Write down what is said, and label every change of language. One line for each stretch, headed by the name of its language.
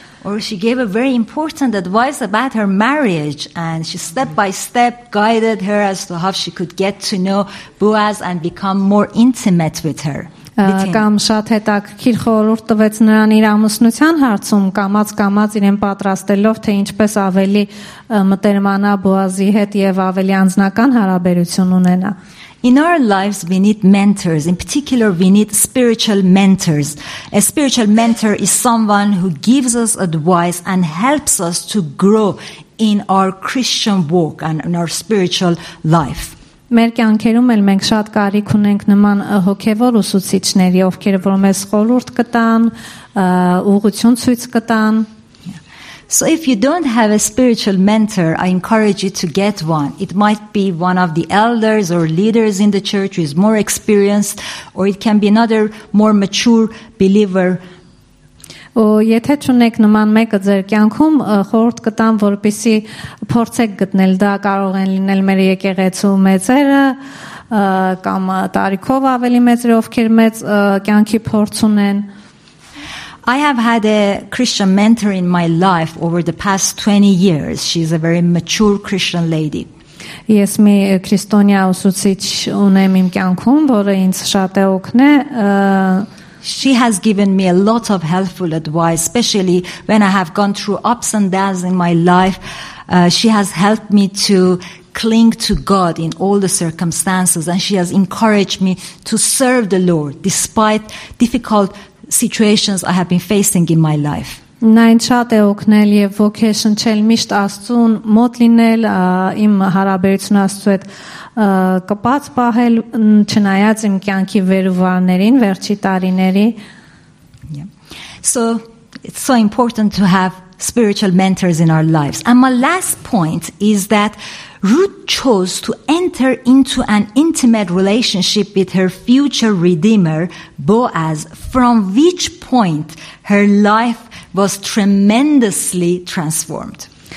English: Or she gave a very important advice about her marriage, and she step by step guided her as to how she could get to know Boaz and become more intimate with her.
Armenian: Կամ շատ հետաքրքիր խորհուրդ տվեց նրան իր ամուսնության հարցում, կամաց-կամաց իրեն պատրաստելով, թե ինչպես ավելի մտերմանա Բոազի հետ եւ ավելի անձնական հարաբերություն ունենա.
English: In our lives, we need mentors. In particular, we need spiritual mentors. A spiritual mentor is someone who gives us advice and helps us to grow in our Christian walk and in our spiritual life.
Armenian: Մեր կյանքերում էլ մենք շատ կարիք ունենք նման հոգևոր ուսուցիչների, ովքեր որ մեզ խորհուրդ կտան, ուղղություն ցույց կտան.
English: So if you don't have a spiritual mentor, I encourage you to get one. It might be one of the elders or leaders in the church who is more experienced, or it can be another more mature believer.
Armenian: Ու եթե չունեք նման մեկը ձեր կյանքում, խորհուրդ կտամ, որպեսի փորձեք գտնել, դա կարող են լինել մեր եկեղեցու մեծերը, կամ տարիքով ավելի մեծերը, ովքեր մեծ կյանքի փորձ ունեն։
English: I have had a Christian mentor in my life over the past 20 years. She's a very mature Christian lady.
Armenian: Yes, me Kristonia ուսուցիչ ունեմ իմ կյանքում, որը ինձ շատ է օգնե։
English: She has given me a lot of helpful advice, especially when I have gone through ups and downs in my life. She has helped me to cling to God in all the circumstances, and she has encouraged me to serve the Lord despite difficult situations I have been facing in my life.
Armenian: Նայն շատ է օգնել եւ ոգեշնչել միշտ Աստծուն մոտ լինել, իմ հարաբերությունը Աստծու հետ կապած պահել, չնայած իմ կյանքի վերուվարներին վերջի տարիների։
English: So it's so important to have spiritual mentors in our lives. And my last point is that Ruth chose to enter into an intimate relationship with her future redeemer, Boaz, from which point her life was tremendously transformed.